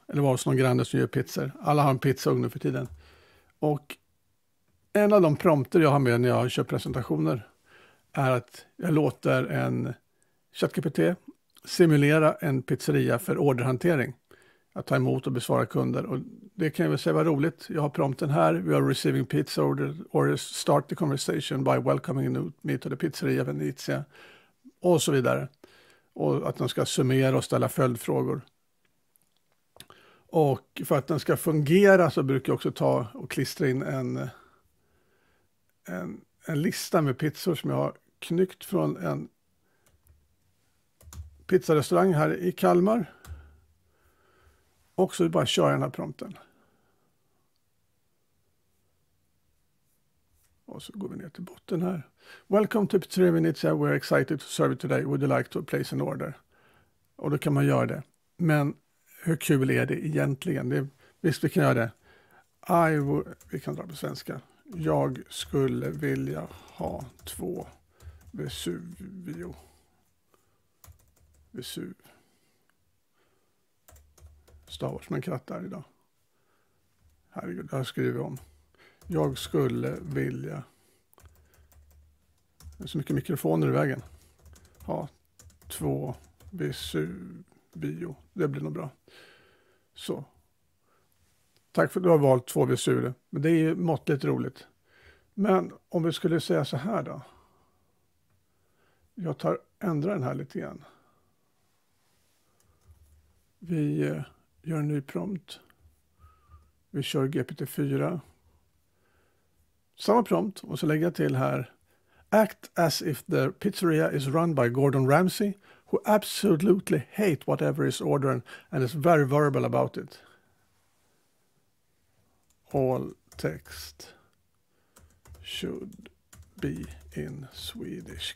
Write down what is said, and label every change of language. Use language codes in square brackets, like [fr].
[sv] Eller vara som någon granne som gör pizzor. Alla har en pizzaugn nu för tiden. Och en av de prompter jag har med när jag kör presentationer är att jag låter en chatGPT simulera en pizzeria för orderhantering. Att ta emot och besvara kunder. Och det kan jag väl säga var roligt. Jag har prompten här. [en] We are receiving pizza orders. Start the conversation by welcoming me to the pizzeria Venezia. [sv] Och så vidare. Och att den ska summera och ställa följdfrågor. Och för att den ska fungera så brukar jag också ta och klistra in en en lista med pizzor som jag har knyckt från en pizzarestaurang här i Kalmar. Och så bara kör jag den här prompten. Och så går vi ner till botten här. [en] Welcome to Pizzeria. We're excited to serve it today. Would you like to place an order? [sv] Och då kan man göra det. Men hur kul är det egentligen? Det, visst, vi kan göra det. Vi kan dra på svenska. Jag skulle vilja ha 2 Vesuvio. Vesuv. Stavars man krattar idag. Herregud, det här skriver jag om. Jag skulle vilja... Det är så mycket mikrofoner i vägen. Ha 2 Vesuvio. Det blir nog bra. Så. Tack för att du har valt 2 Vesuvio. Men det är ju måttligt roligt. Men om vi skulle säga så här då. Jag tar ändra den här lite grann. Vi gör en ny prompt. Vi kör GPT-4. Samma prompt. Och så lägger jag till här. [en] Act as if the pizzeria is run by Gordon Ramsay, who absolutely hate whatever is ordering and is very verbal about it. All text should be in Swedish.